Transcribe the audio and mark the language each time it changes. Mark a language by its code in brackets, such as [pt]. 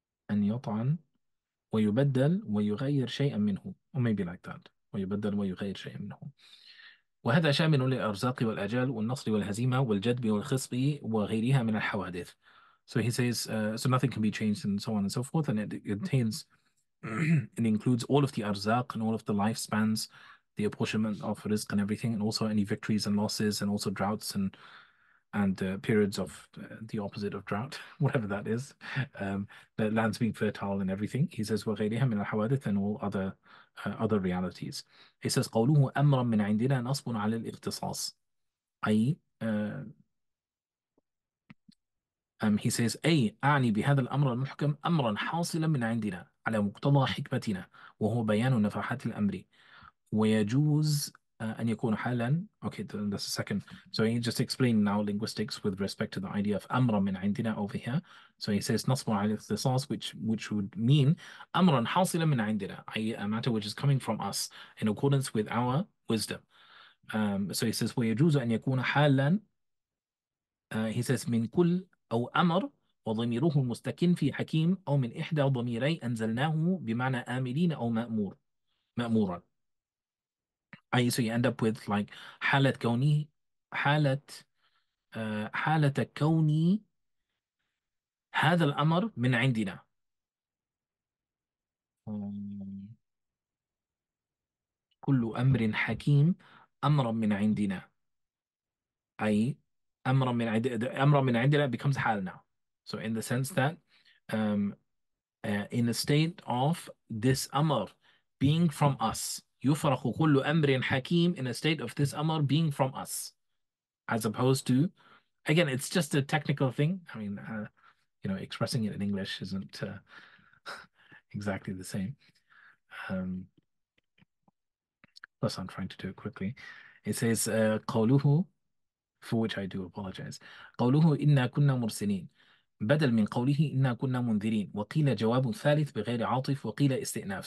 [ar] أن يطعن ويبدل ويغير شيئا منه. [en] Or maybe like that. [ar] ويبدل ويغير شيئا منه. وهذا شامل للأرزاق والأجال والنصر والهزيمة والجدب والخصب وغيرها من الحوادث. [en] So he says, so nothing can be changed and so on and so forth. And it contains, it includes all of the arzaq and all of the lifespans, the apportionment of rizq and everything, and also any victories and losses, and also droughts and periods of the opposite of drought, whatever that is, the lands being fertile and everything. He says, [ar] وَغَيْرِهَا مِنَ الْحَوَادِثِ [en] and all other other realities. [ar] He says, قَوْلُهُ أَمْرًا مِنْ عِنْدِنَا نَصْبٌ عَلَى الْإِخْتِصَاصِ أي [en] he says, [ar] أي أعني بهذا الأمر المحكم أمرا حاصلا من عندنا على مقتضى حكمتنا وهو بيان نفحات الأمر ويجوز أن يكون حالا. [en] Okay, that's the second. So he just explained now linguistics with respect to the idea of [ar] أمرا من عندنا [en] over here. So he says [ar] نصب على الاختصاص, [en] which would mean [ar] أمرا حاصلا من عندنا, [en] i.e. a matter which is coming from us in accordance with our wisdom. So he says [ar] ويجوز أن يكون حالا. [en] He says [ar] من كل أو أمر وضميره مستكن في حكيم أو من إحدى ضميري أنزلناه بمعنى آمرين أو مأمور مأمورا. أي [en] so you end up with like [ar] حالة كوني حالة حالة كوني هذا الأمر من عندنا. كل أمر حكيم أمرا من عندنا. أي أمر من عندنا [en] becomes [ar] حال [en] now. So in the sense that in a state of this أمر being from us, [ar] يفرق كل أمر حكيم [en] in a state of this أمر being from us, as opposed to, again, it's just a technical thing. I mean, you know, expressing it in English isn't exactly the same. Plus, I'm trying to do it quickly. It says, قوله, for which I do apologize. [ar] قوله إنا كنا مرسلين بدل من قوله إنا كنا منذرين وقيل جواب ثالث بغير عاطف وقيل استئناف.